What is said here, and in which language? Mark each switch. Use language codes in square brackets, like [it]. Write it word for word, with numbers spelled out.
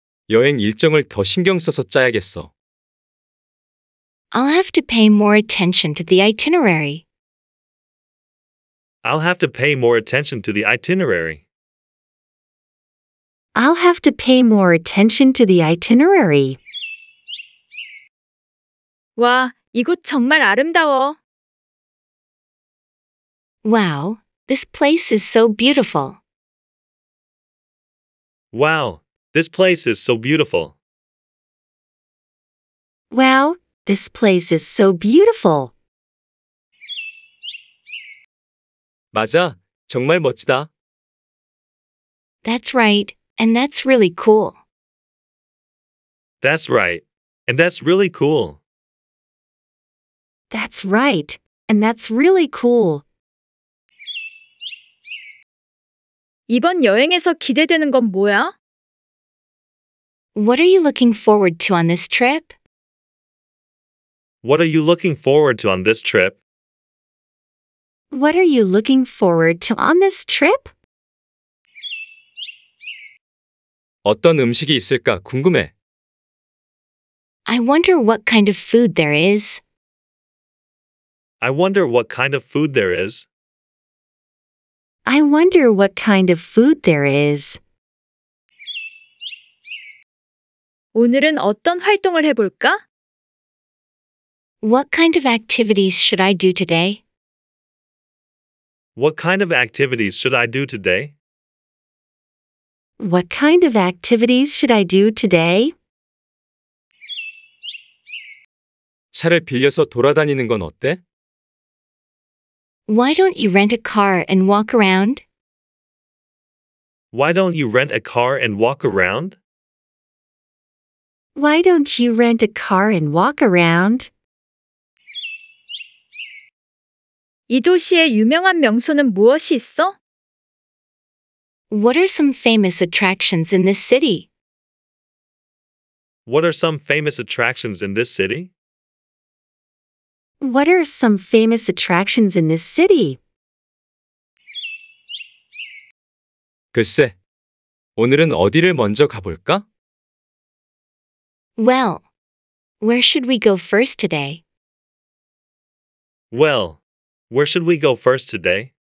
[ko] 여행 일정을 더 신경 써서 짜야겠어. [en] I'll have to pay more attention to the itinerary. I'll have to pay more attention to the itinerary. I'll have to pay more attention to the itinerary. [ko] 와, 이곳 정말 아름다워. [en] Wow, this place is so beautiful. Wow, this place is so beautiful. Wow, this place is so beautiful. [ko] 맞아, 정말 멋지다. [en] That's right, and that's really cool. That's right. And that's really cool. That's right, and that's really cool. [ko] 이번 여행에서 기대되는 건 뭐야? [en] What are you looking forward to on this trip? What are you looking forward to on this trip? What are you looking forward to on this trip? [ko] 어떤 음식이 있을까 궁금해. [en] I wonder what kind of food there is. I wonder what kind of food there is. I wonder what kind of food there is. [ko] 오늘은 어떤 활동을 해볼까? [en] What kind of activities should I do today? What kind of activities should I do today? What kind of activities should I do today? [ko] 차를 빌려서 돌아다니는 건 어때? [en] Why don't you rent a car and walk around? Why don't you rent a car and walk around? Why don't you rent a car and walk around? [ko] 이 도시의 유명한 명소는 무엇이 있어? [en] What are some famous attractions in this city? What are some famous attractions in this city? What are some famous attractions in this city? [ko] 글쎄, 오늘은 어디를 먼저 가볼까? [en] Well, where should we go first today? Well, where should we go first today?